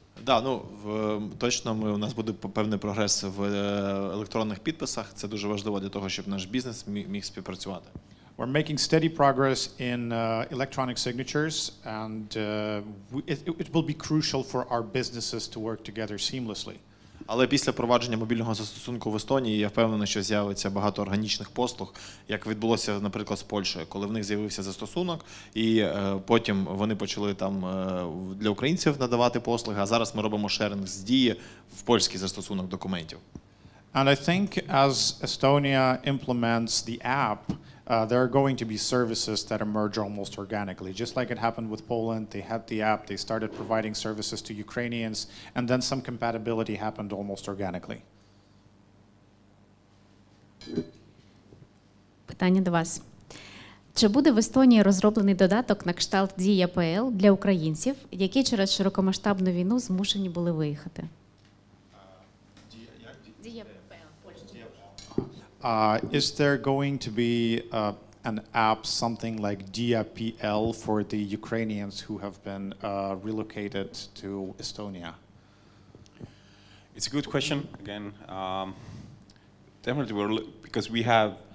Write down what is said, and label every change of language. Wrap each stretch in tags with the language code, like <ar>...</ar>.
<uk>Да, ну, точно ми, у нас буде певний прогрес в електронних підписах. Це дуже важливо для того, щоб наш бізнес міг співпрацювати.</uk> <en>We're making steady progress in electronic signatures, and it will be crucial for our businesses to work together seamlessly.</en> <uk>Але після впровадження мобільного застосунку в Естонії, я впевнений, що з'явиться багато органічних послуг, як відбулося, наприклад, з Польщею, коли в них з'явився застосунок, і потім вони почали там для українців надавати послуги, а зараз ми робимо шеринг з Дії в польський застосунок документів.</uk> <en>And I think as Estonia implements the app, there are going to be services that emerge almost organically. Just like it happened with Poland, they had the app, they started providing services to Ukrainians, and then some compatibility happened almost organically.</en> <uk>Питання до вас. Чи буде в Естонії розроблений додаток на кшталт Дія.pl для українців, які через широкомасштабну війну змушені були виїхати?</uk> <en>Is there going to be an app, something like DIA.pl for the Ukrainians who have been relocated to Estonia? It's a good question, again. Definitely, because we have</en>